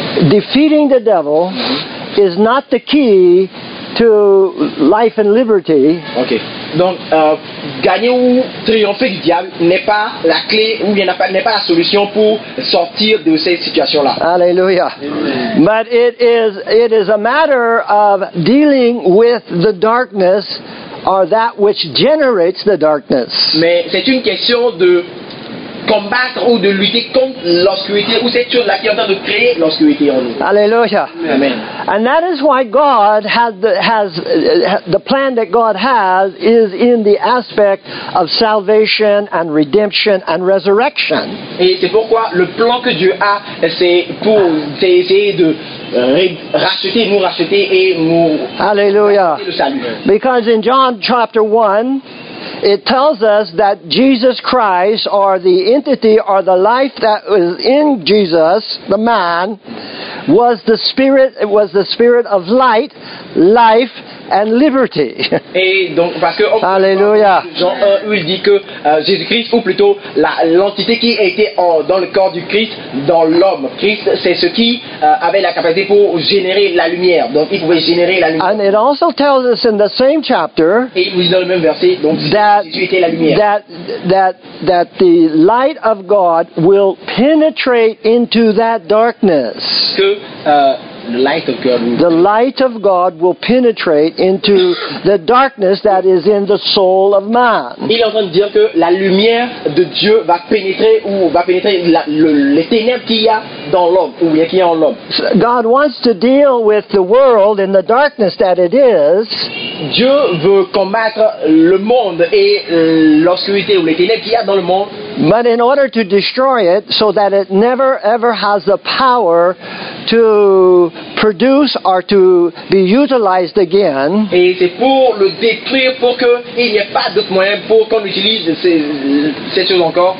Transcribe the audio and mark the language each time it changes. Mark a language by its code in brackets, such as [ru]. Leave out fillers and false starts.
[en] defeating the devil is not the key to life and liberty. Okay. [fr] Donc, gagner ou triompher du diable n'est pas la clé ou n'est pas la solution pour sortir de cette situation-là. Alléluia. [en] But it is a matter of dealing with the darkness or that which generates the darkness. [fr] Mais c'est une question de combattre ou de lutter contre l'obscurité ou cette chose-là qui est en train de créer l'obscurité en nous. Alléluia. Amen. [en] And that is why God has the plan that God has is in the aspect of salvation and redemption and resurrection. [fr] Et c'est pourquoi le plan que Dieu a, c'est pour essayer de racheter, nous racheter et nous Alléluia. Le salut. [en] Because in John chapter 1, it tells us that Jesus Christ, or the entity, or the life that was in Jesus, the man, was the spirit. It was the spirit of light, life, and liberty. [fr] Et donc, parce que Alléluia. Jean 1, il dit que Jésus-Christ, ou plutôt l'entité qui était dans le corps du Christ, dans l'homme. Christ, c'est ce qui avait la capacité pour générer la lumière. Donc, il pouvait générer la lumière. [en] And it also tells us in the same chapter. [fr] Et il nous dit dans le même verset, donc. [en] That the light of God will penetrate into that darkness. The light of God will penetrate into the darkness that is in the soul of man. [fr] Il est en train de dire que la lumière de Dieu va pénétrer ou va pénétrer les ténèbres qu'il y a dans l'homme ou qu'il y a en l'homme. [en] God wants to deal with the world in the darkness that it is. [fr] Dieu veut combattre le monde et l'obscurité ou les ténèbres qu'il y a dans le monde. [en] But in order to destroy it, so that it never ever has the power to produce or to be utilized again. [fr] Et c'est pour le détruire pour que il n'y ait pas d'autre moyen pour qu'on utilise cette chose encore.